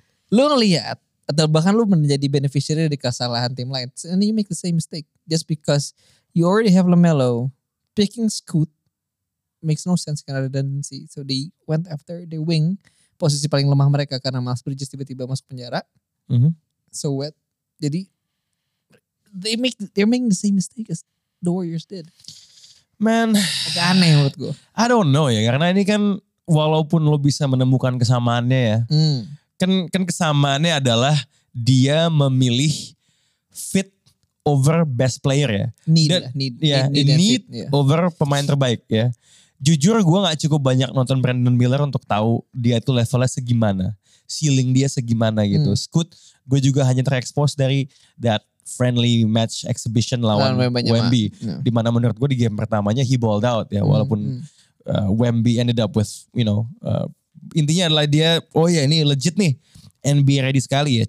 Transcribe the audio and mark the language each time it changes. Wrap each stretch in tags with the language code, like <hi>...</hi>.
<id>Lu ngeliat, atau bahkan lu menjadi beneficiary dari kesalahan tim lain.</id> <en>And you make the same mistake. Just because you already have LaMelo, picking Scoot makes no sense karena redundancy. So they went after the wing,</en> <id>posisi paling lemah mereka karena Miles Bridges tiba-tiba masuk penjara.</id> <en>So what? Jadi, they're making the same mistake as the Warriors did. Man.</en> <id>Agak aneh menurut gue.</id> <en>I don't know</en> <id>ya, karena ini kan walaupun lu bisa menemukan kesamaannya ya. Kan kesamaannya adalah dia memilih fit over best player ya.</id> <en>Need</en> <id>over pemain terbaik ya. Jujur gue gak cukup banyak nonton Brandon Miller untuk tahu dia itu levelnya segimana. Ceiling dia segimana gitu. Scoot gue juga hanya terekspos dari</id> <en>that friendly match exhibition</en> <id>lawan Wemby. Yeah. Dimana menurut gue di game pertamanya</id> <en>he balled out</en> <id>ya.</id> <en>Walaupun Wemby ended up with you know...</en> <id>intinya adalah dia, oh ya ini legit nih, NBA ready sekali ya.</id>